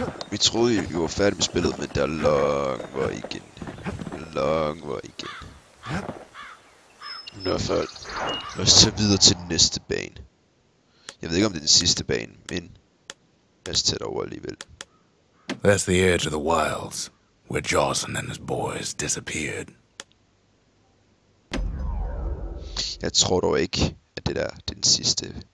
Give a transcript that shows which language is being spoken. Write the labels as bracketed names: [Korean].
[Danish] Vi troede, I var færdige med spillet, men der er lang vej igen. Lang vej igen. Nå, før. Lad os tage videre til den næste bane. Jeg ved ikke, om det er den sidste bane, men lad os tage det over alligevel. [English] That's the edge of the wilds, where Jawson and his boys disappeared. [Danish] Jeg tror dog ikke, at det der det er den sidste.